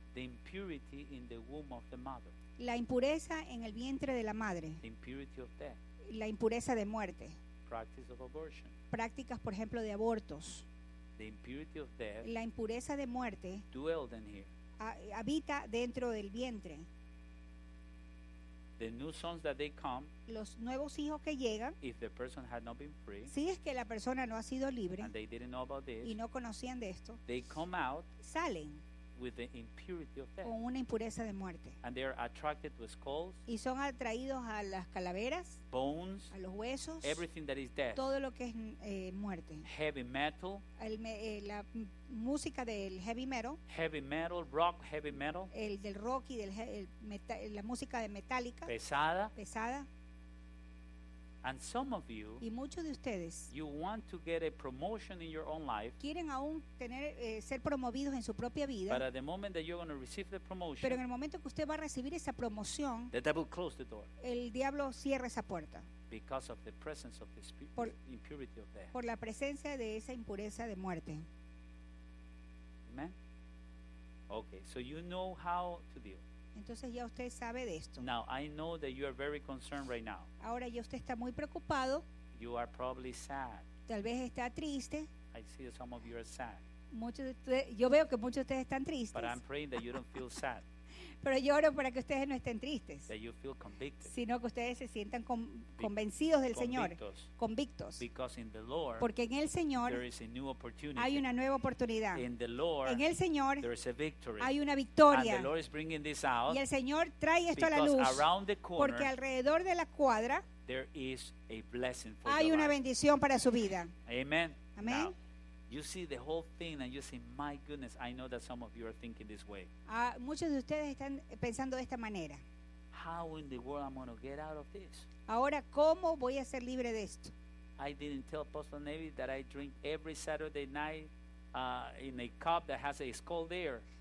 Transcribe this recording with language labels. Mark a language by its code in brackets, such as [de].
[en] The impurity in the womb of the mother. [es] La impureza en el vientre de la madre. [en] The impurity of death. [es] La impureza de muerte. [en] Practice of abortion. [es] Prácticas, por ejemplo, de abortos. [en] The impurity of death. [es] La impureza de muerte. [en] Dwelled in here. [es] Habita dentro del vientre. [en] The new sons that they come, [es] los nuevos hijos que llegan, [en] if the person had not been free, [es] si es que la persona no ha sido libre, [en] and they didn't know about this, [es] y no conocían de esto, [en] they come out, [es] salen [en] with the impurity of death, [es] con una impureza de muerte, [en] and they are attracted to skulls, [es] y son atraídos a las calaveras, [en] bones, [es] a los huesos, [en] everything that is death, [es] todo lo que es muerte, [en] heavy metal, [es] la música del heavy metal, [en] heavy metal, rock, heavy metal, [es] el del rock y del la música de metálica, pesada. [en] And some of you, [es] y muchos de ustedes, [en] you want to get a promotion in your own life, [es] quieren aún tener ser promovidos en su propia vida, [en] but at the moment that you're going to receive the promotion, [es] pero en el momento que usted va a recibir esa promoción, [en] the devil closed the door, [es] el diablo cierra esa puerta, [en] because of the presence of the spirit, impurity of death, [es] por la presencia de esa impureza de muerte. [en] Amen. Okay, so you know how to deal. [es] Entonces ya usted sabe de esto. [en] Now, I know that you are very concerned right now. [es] Ahora ya usted está muy preocupado. [en] You are probably sad. [es] Tal vez está triste. [en] I see some of you are sad. [es] Muchos de ustedes, yo veo que muchos de ustedes están tristes. [en] But I'm praying that you don't feel sad. [es] Pero yo oro para que ustedes no estén tristes, [en] that you feel convicted, [es] sino que ustedes se sientan convencidos del Señor, convictos. [en] Because in the Lord, [es] porque en el Señor [en] there is a new opportunity. [es] Hay una nueva oportunidad. [en] In the Lord, [es] en el Señor [en] there is a victory. [es] Hay una victoria. [en] And the Lord is bringing this out, [es] y el Señor trae esto [en] because [es] a la luz. [en] Around the corner, [es] porque alrededor de la cuadra [en] there is a blessing for [es] hay [en] your [es] una [en] life. [es] Bendición para su vida. [en] Amen. [es] Amén. [en] You see the whole thing and you say, my goodness, I know that some of you are thinking this way. [es] Muchos de ustedes están pensando de esta manera. [en] How in the world am I going to get out of this? [es] Ahora, ¿cómo voy a ser libre de esto? [en] I didn't tell Pastor Navy that I drink every Saturday night in a cup that has a skull there.